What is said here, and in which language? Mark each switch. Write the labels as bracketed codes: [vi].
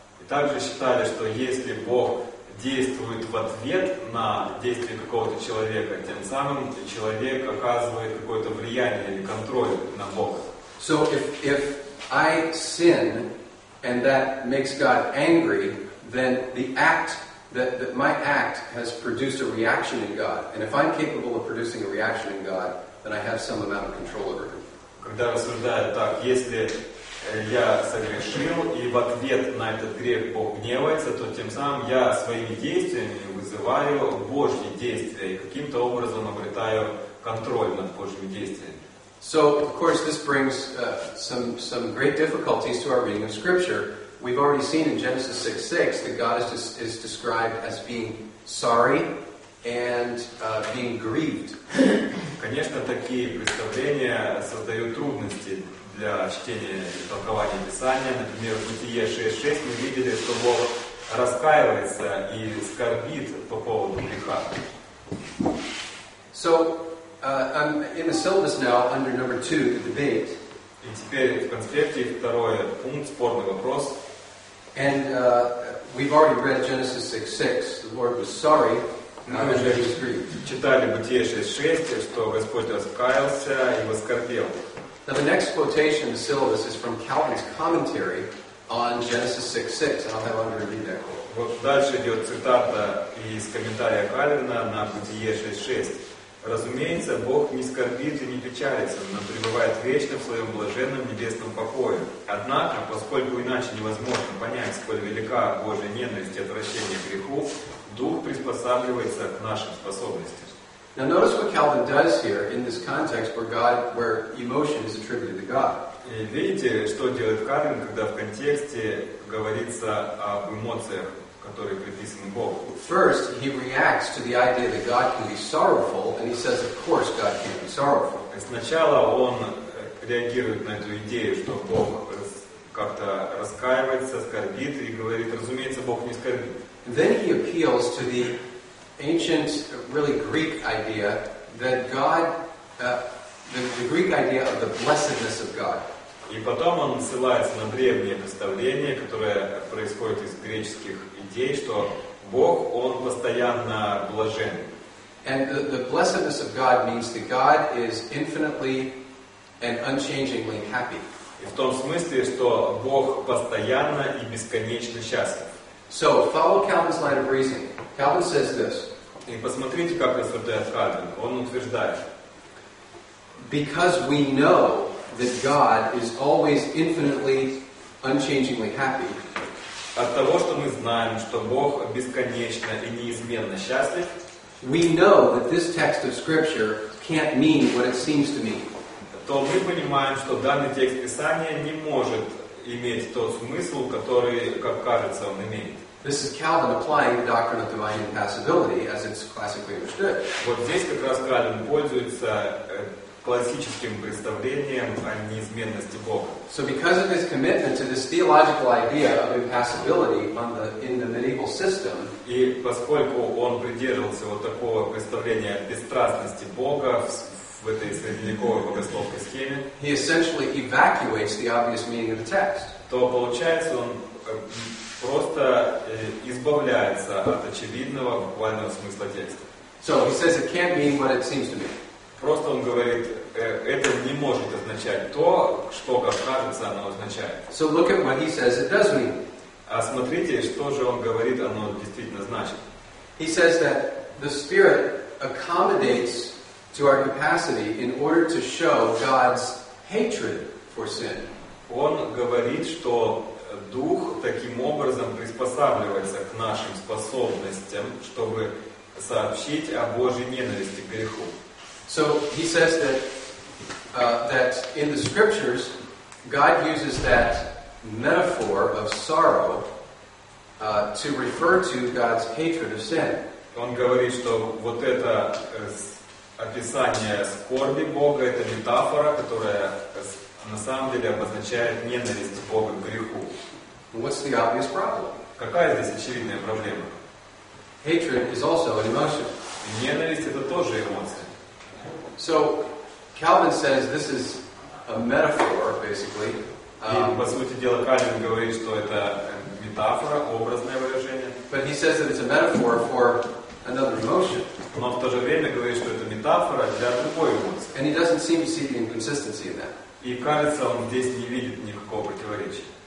[ru] Также считали, что если Бог действует в ответ на действие какого-то человека, тем самым человек оказывает какое-то влияние или контроль на Бога. [en] So if I sin and that makes God angry, then the act that my act has produced a reaction in God. And if I'm capable of producing a reaction in God, then I have some amount of control over Him. [ru] Когда рассуждают так, если я согрешил, и в ответ на этот грех Бог гневается, то тем самым я своими действиями вызываю Божьи действия и каким-то образом обретаю контроль над Божьими действиями. [en] So, of course, this brings some great difficulties to our reading of Scripture. We've already seen in Genesis 6:6 that God is described as being sorry and being grieved. [ru] Конечно, такие представления создают трудности для чтения и толкования Писания. Например, в Бытие 6:6 мы видели, что Бог раскаивается и скорбит по поводу греха. [en] So, in the syllabus now, under number 2, the debate. [ru] И теперь в конспекте второй пункт, спорный вопрос. [en] And we've already read Genesis 6:6. The Lord was sorry. [ru] Мы уже читали Бытие 6:6, что Господь раскаялся и воскорбел. [en] Now the next quotation in the syllabus is from Calvin's commentary on Genesis 6:6, and I'll have under review that quote. [ru] Вот дальше идет цитата из комментария Кальвина на Бытие 6:6. Разумеется, Бог не скорбит и не печалится, но пребывает вечно в своем блаженном небесном покое. Однако, поскольку иначе невозможно понять, сколь велика Божья ненависть и отвращение к греху, Дух приспосабливается к нашим способностям. [en] Now notice what Calvin does here in this context where emotion is attributed to God. [ru] И видите, что делает Кальвин, когда в контексте говорится об эмоциях, которые приписаны Богу. [en] First, he reacts to the idea that God can be sorrowful, and he says, of course, God can be sorrowful. [ru] Сначала он реагирует на эту идею, что Бог как как-то раскаивается, скорбит и говорит, разумеется, Бог не скорбит. [en] And then he appeals to the ancient, really Greek idea that God, the Greek idea of the blessedness of God. [ru] И потом он ссылается на древнее представление, которое происходит из греческих идей, что Бог, Он постоянно блажен. [en] And the blessedness of God means that God is infinitely and unchangingly happy. [ru] И в том смысле, что Бог постоянно и бесконечно счастлив. [en] So, follow Calvin's line of reasoning. Calvin says this. [ru] И посмотрите, как рассуждает Кальвин. Он утверждает. [en] Because we know that God is always infinitely, unchangingly happy. [ru] От того, что мы знаем, что Бог бесконечно и неизменно счастлив, [en] we know that this text of Scripture can't mean what it seems to mean. [ru] То мы понимаем, что данный текст Писания не может иметь тот смысл, который, как кажется, он имеет. [en] This is Calvin applying the doctrine of divine impassibility as it's classically understood. [ru] Вот здесь как раз Кальвин пользуется классическим представлением о неизменности Бога. [en] So because of his commitment to this theological idea of impassibility on the, in the medieval system, [ru] и поскольку он придерживался вот такого представления о бесстрастности Бога в этой средневековой богословской схеме, [en] he essentially evacuates the obvious meaning of the text. [ru] То получается, он просто избавляется от очевидного буквального смысла текста. [en] So he says it can't mean what it seems to be. [ru] Просто он говорит, это не может означать то, что, как кажется, оно означает. [en] So look at what he says it does mean. [ru] А смотрите, что же он говорит, оно действительно значит. [en] He says that the Spirit accommodates to our capacity in order to show God's hatred for sin. [ru] Он говорит, что Дух таким образом приспосабливается к нашим способностям, чтобы сообщить о Божьей ненависти к греху. [en] So he says that that in the scriptures God uses that metaphor of sorrow to refer to God's hatred of sin. [ru] Он говорит, что вот это описание скорби Бога, это метафора, которая на самом деле обозначает ненависть Бога к греху. [en] What's the obvious problem? [ru] Какая здесь очевидная проблема? [en] Hatred is also an emotion. [ru] И ненависть это тоже эмоция. [en] So, Calvin says this is a metaphor, basically. [ru] По сути дела, Кальвин говорит, что это метафора, образное выражение. [en] But he says that it's a metaphor for another emotion. [ru] Но в то же время говорит, что это метафора для другой эмоции. [en] And he doesn't seem to see the inconsistency in that. [ru] И кажется, он здесь не видит никакого противоречия.